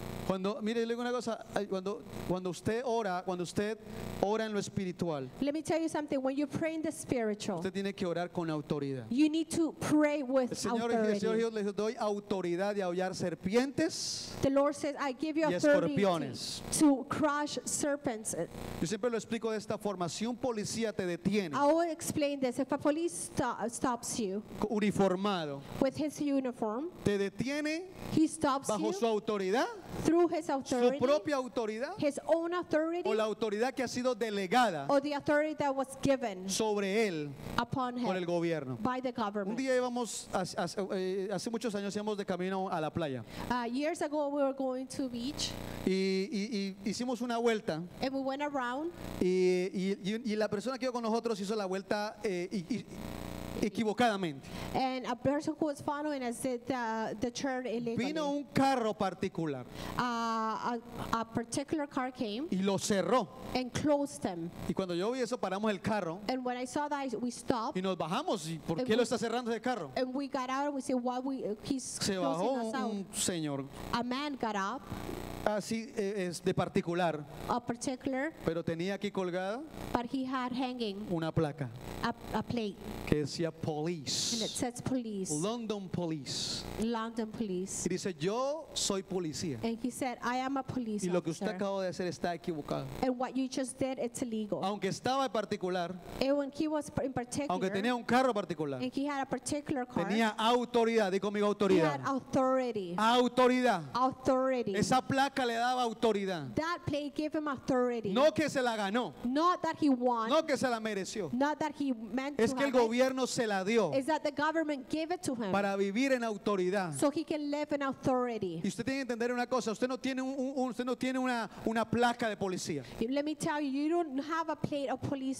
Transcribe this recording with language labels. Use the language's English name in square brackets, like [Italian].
[Spanish] Cuando mire, le digo una cosa, cuando usted ora, cuando usted Ora en lo espiritual. [English] Let me tell you something. When you pray in the spiritual, [Spanish] usted tiene que orar con autoridad. [English] You need to pray with authority. [Spanish] El Señor Jesús les doy autoridad de hollar serpientes. [English] The Lord says, I give you authority to crush serpents. [Spanish] Yo siempre lo explico de esta forma. Si un policía te detiene, [English] I will explain this. If a police stops you, [Spanish] uniformado, [English] with his uniform, [Spanish] te detiene, [English] he stops [Spanish] bajo [English] you [Spanish] su autoridad, [English] through his authority, [Spanish] su propia autoridad, [English] his own authority, [Spanish] o la autoridad que ha sido delegada, [English] or the authority that was given [Spanish] sobre él, [English] upon him, [Spanish] por el gobierno, [English] by the government. [Spanish] Un día íbamos hace muchos años íbamos de camino a la playa. [English] Years ago we were going to beach. [Spanish] Y hicimos una vuelta. [English] And we went around. [Spanish] Y la persona que iba con nosotros hizo la vuelta equivocadamente. [English] And a person who was following us did the turn illegally. [Spanish] Vino un carro particular. [English] A particular car came. [Spanish] Y lo cerró. [English] And closed them. [Spanish] Y cuando yo vi eso, paramos el carro. [English] And when I saw that, we stopped. [Spanish] Y nos bajamos. ¿Y por qué lo está cerrando ese carro? [English] And we got out and we said, why we he's [Spanish] se bajó un señor. [English] A man got up. [Spanish] Así es de particular. [English] A particular. [Spanish] Pero tenía aquí colgada. [English] But he had hanging. [Spanish] Una placa. [English] A plate. [Spanish] Que decía police. [English] And it says police. London police. London police. [Spanish] Y dice yo soy policía. [English] And he said I am a police officer. [Spanish] Y lo que usted acaba de hacer está equivocado. [English] And what you just did, it's illegal. [Spanish] Aunque estaba en particular. [English] And when he was in particular. [Spanish] Aunque tenía un carro particular. [English] And he had a particular car. [Spanish] Tenía autoridad. Digo conmigo autoridad. [English] He had authority. [Spanish] Autoridad. [English] Authority. [Spanish] Esa placa le daba autoridad. [English] That plate gave him authority. [Spanish] No que se la ganó. [English] Not that he won. [Spanish] No que se la mereció. [English] Not that he meant [Spanish] es [English] to [Spanish] que el gobierno [English] it. [Spanish] Se la dio. [English] Is that the government gave it to him. [Spanish] Para vivir en autoridad. [English] So he can live in authority. [Spanish] Y usted tiene que entender una cosa. Usted no tiene usted no tiene una placa de policía. [English] Let me tell you, you don't have a plate of police officer.